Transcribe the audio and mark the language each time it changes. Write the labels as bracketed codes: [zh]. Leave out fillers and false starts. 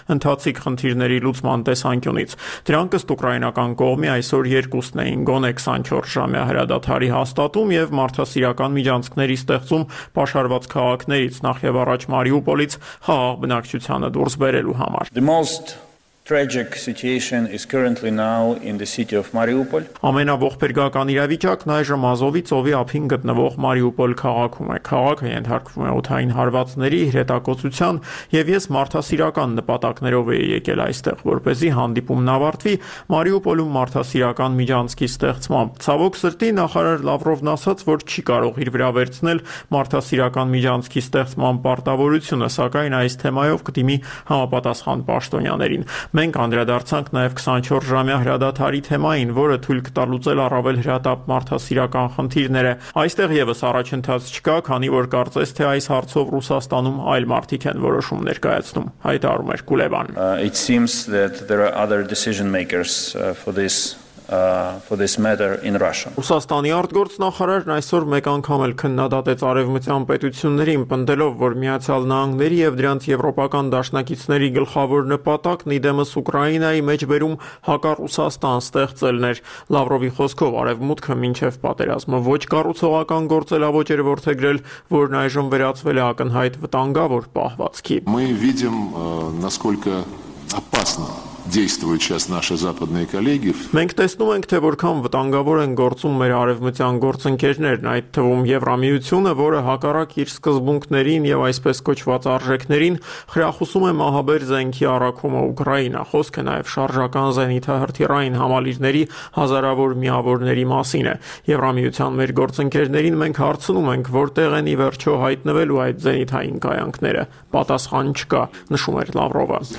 [hy] ընթացիկ խնդիրների լուծման տեսանկյունից։ Դրանք ըստ ուկրաինական կողմի այսօր 2-ն էին, գոնե 24-ժամյա հրադադարի հաստատում եւ մարդասիրական միջանցքների ստեղծում պաշարված քաղաքներից, նախ եւ առաջ Մարիուպոլից խաղաղ բնակչությանը դուրս բերելու համար։ [en] Tragic situation is currently now in the city of Mariupol. [hy] Ամենաողբերգական իրավիճակն այժմ Ազովի ծովի ափին գտնվող Մարիուպոլ քաղաքում է։ Քաղաքը ենթարկվում է օթային հարվածների հրետակոծության, եւ ես մարդասիրական նպատակներով եի եկել այստեղ, որպեսզի հանդիպումն ավարտվի Մարիուպոլում մարդասիրական միջանցքի ստեղծմամբ։ Ցավոք սրտի նախարար Լավրովն ասաց, որ չի կարող իր վրա վերցնել մարդասիրական միջանցքի ստեղծման պարտավորությունը, սակայն այս թեմայով կդիմի համապատասխան պաշտոնյաներին։ Մենք անդրադարձանք նաև 24 ժամյա հրադադարի թեմային, որը թույլ կտալուցել առավել հրատապ մարդասիրական խնդիրները։ Այստեղ եւս առաջընթաց չկա, քանի որ կարծես թե այս հարցով Ռուսաստանում այլ մարտիկ են որոշում ներկայացնում, հայտարարում էր Կուլեբան։ [en] It seems that there are other decision makers for this matter in Russia. [hy] Ռուսաստանի արտգործնախարարն այսօր մեկ անգամ էլ քննադատեց արևմտյան պետություններին, պնդելով, որ Միացյալ Նահանգների եւ դրանց եվրոպական դաշնակիցների գլխավոր նպատակն ի դեմս Ուկրաինայի մեջբերում հակառուսաստան ստեղծելն էր։ Լավրովի խոսքով արևմուտքը մինչև պատերազմը ոչ կառուցողական գործելա ոչ երևորդեգրել, որն այժմ վերածվել է ակնհայտ վտանգավոր պահվածքի։ [ru] Мы видим, насколько опасно действуют сейчас наши западные коллеги. [hy] Մենք տեսնում ենք, թե որքան վտանգավոր են գործում մեր արևմտյան գործընկերներն, այդ թվում Եվրամիությունը, որը հակառակ իր սկզբունքներին եւ այսպես կոչված արժեքներին խրախուսում է մահաբեր զենքի առաքումը Ուկրաինա։ Խոսքը նաեւ շարժական զենիթահրթիռային համալիրների հազարավոր միավորների մասին է։ Եվրամիության մեր գործընկերներին մենք հարցնում ենք, որտեղ են ի վերջո հայտնվել ու այդ զենիթային կայանքները։ Պատասխան չկա, նշում էր Լավրովը։